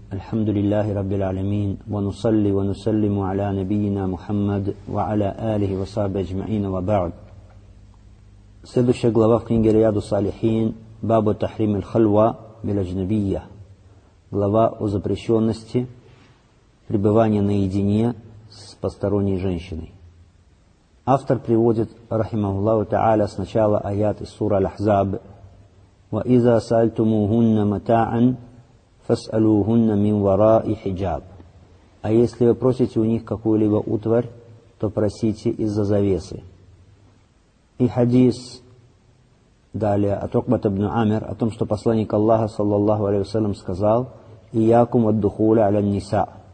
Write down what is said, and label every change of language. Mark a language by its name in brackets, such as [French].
[Arabic] الحمد لله رب العالمين، ونصلي ونسلم على نبينا محمد وعلى آله وصحبه أجمعين، وبعد. [Russian] Следующая глава в книге Рияду Салихин, Бабу Тахрим Аль-Халва Биль-Аджнабия, глава о запрещенности пребывания наедине с посторонней женщиной. Автор приводит, [Arabic] رحمه الله تعالى, [Russian] сначала аят из сура Аль-Ахзаб: [Arabic] وَإِذَا سَأَلْتُمُوهُنَّ مَتَاعًا فَاسْأَلُوهُنَّ مِنْ وَرَاءِ حِجَابٍ. [Russian] А если вы просите у них какую-либо утварь, то просите из-за завесы. И хадис далее от Укбат ибн Амир о том, что посланник Аллаха, саллаллаху алейхи ва саллям, сказал: [Arabic] «Иякум ад-духуля аля-ниса».